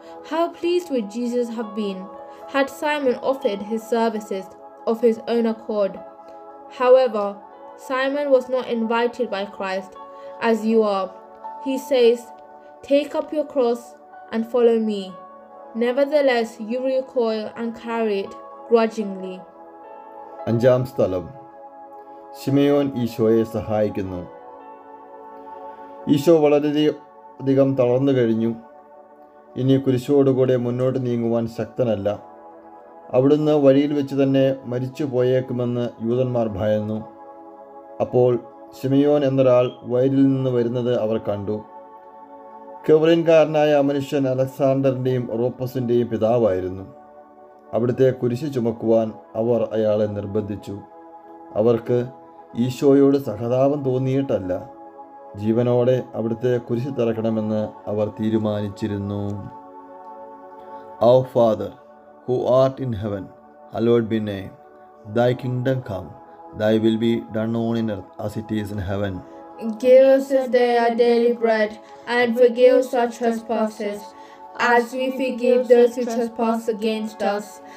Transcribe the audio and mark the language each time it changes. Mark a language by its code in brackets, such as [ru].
[en] How pleased would Jesus have been had Simon offered his services of his own accord. However, Simon was not invited by Christ as you are. He says, take up your cross and follow me. Nevertheless, you recoil and carry it grudgingly. [ml] അഞ്ചാം സ്ഥലം: ശിമയോൻ ഈശോയെ സഹായിക്കുന്നു. ഈശോ വളരെയധികം തളർന്നു കഴിഞ്ഞു. ഇനി കുരിശോടുകൂടെ മുന്നോട്ട് നീങ്ങുവാൻ ശക്തനല്ല. അവിടുന്ന് വഴിയിൽ വെച്ച് തന്നെ മരിച്ചു പോയേക്കുമെന്ന് യൂതന്മാർ ഭയന്നു. അപ്പോൾ ശിമയോൻ എന്നൊരാൾ വയലിൽ നിന്ന് വരുന്നത് അവർ കണ്ടു. കെവറിൻകാരനായ മനുഷ്യൻ അലക്സാണ്ടറിൻ്റെയും റോപ്പസിൻ്റെയും പിതാവായിരുന്നു. അവിടുത്തെ കുരിശ് ചുമക്കുവാൻ അവർ അയാളെ നിർബന്ധിച്ചു. അവർക്ക് ഈശോയോട് സഹതാപം തോന്നിയിട്ടല്ല, ജീവനോടെ അവിടുത്തെ കുരിശ് തിറക്കണമെന്ന് അവർ തീരുമാനിച്ചിരുന്നു. [en] Our Father, who art in heaven, hallowed be name. Thy kingdom come. Thy will be done on earth as it is in heaven. Give us this day our daily bread, and forgive us our trespasses, as we forgive those who trespass against us.